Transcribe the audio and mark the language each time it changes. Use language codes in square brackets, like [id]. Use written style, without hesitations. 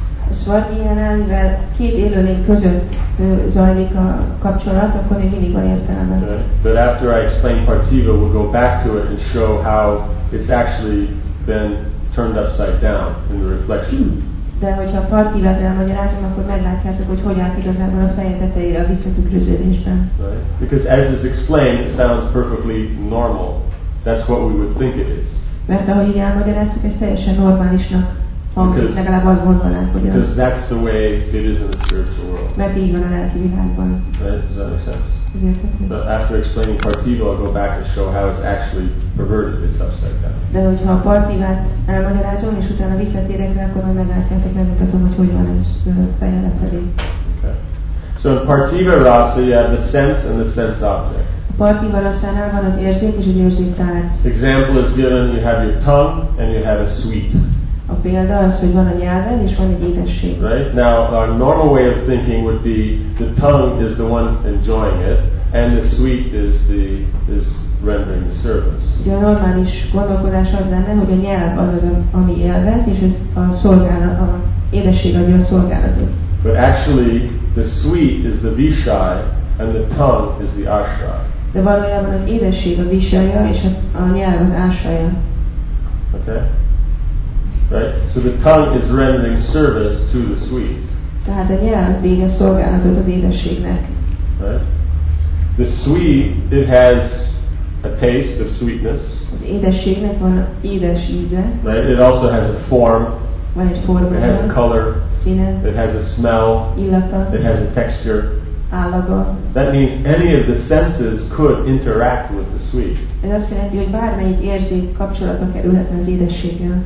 [hu] A swargiánál, mivel két élőlény között zajlik a kapcsolat, akkor még mindig van értelme. [en] Okay. But after I explain partiva, we'll go back to it and show how it's actually been turned upside down in the reflection. [hu] De hogyha a partivát elmagyarázom, akkor meglátjátok, hogy hogy állt igazából a feje tetejére a visszatükröződésben. [en] Right. Because as is explained, it sounds perfectly normal. That's what we would think it is. [hu] Mert ahogy így elmagyaráztuk, ez teljesen normálisnak. [en] Because that's the way it is in the spiritual world. Right? Does that make sense? But after explaining partiva, I'll go back and show how it's actually perverted. It's upside down. Okay. So in partiva rasa, you have the sense and the sense object. [hu] Partiva rasánál van az érzék és az érzék tárgy. [en] Example is given, you have your tongue and you have a sweet. [hu] A példa az, hogy van a nyelven, és van egy édesség. [en] Right? Now, our normal way of thinking would be the tongue is the one enjoying it, and the sweet is the is rendering the service. [hu] A normális gondolkodás az lenne, hogy a nyelv az az, ami élvez, és ez a szolgálat, a édesség adja a szolgálatot. [en] But actually, the sweet is the vishaya, and the tongue is the ashraya. [hu] De valójában az édesség a vishaya, és a nyelv az ashraya. [en] Okay? Right? So the tongue is rendering service to the sweet. [hu] Tehát a nyelv végez szolgálatot az édességnek. [en] The sweet, it has a taste of sweetness. [hu] Az édességnek van édes íze. [en] Right? It also has a form. [hu] Van egy forma. [en] It has a color. [hu] Színe. [en] It has a smell. [hu] Illata. [en] It has a texture. [hu] Állaga. [en] That means any of the senses could interact with the sweet. [hu] Ez azt jelenti, hogy bármelyik érzék kapcsolatba kerülhetne az édességgel.